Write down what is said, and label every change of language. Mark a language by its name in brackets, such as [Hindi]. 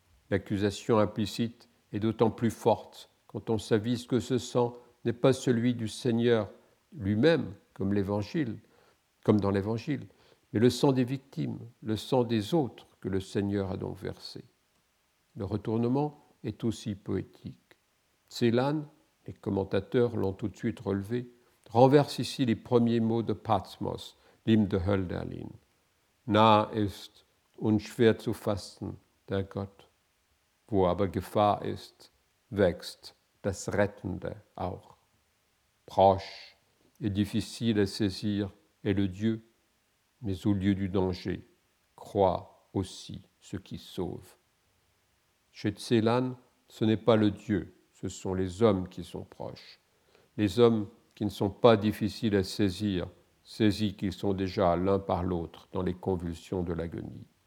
[French] L'accusation implicite est d'autant plus forte quand on s'avise que ce sang n'est pas celui du Seigneur lui-même, comme dans l'Évangile, mais le sang des victimes, le sang des autres que le Seigneur a donc versé. Le retournement est aussi poétique. Tselan, les commentateurs l'ont tout de suite relevé, renverse ici les premiers mots de Patmos, l'hymne de Hölderlin. [German] Nah ist und schwer zu fassen, der Gott, wo aber Gefahr ist, wächst das Rettende auch. [French] Proche et difficile à saisir est le Dieu, mais au lieu du danger, croit aussi ce qui sauve. Chez Tselan, ce n'est pas le Dieu. Ce sont les hommes qui sont proches. Les hommes qui ne sont pas difficiles à saisir, saisis qu'ils sont déjà l'un par l'autre dans les convulsions de l'agonie.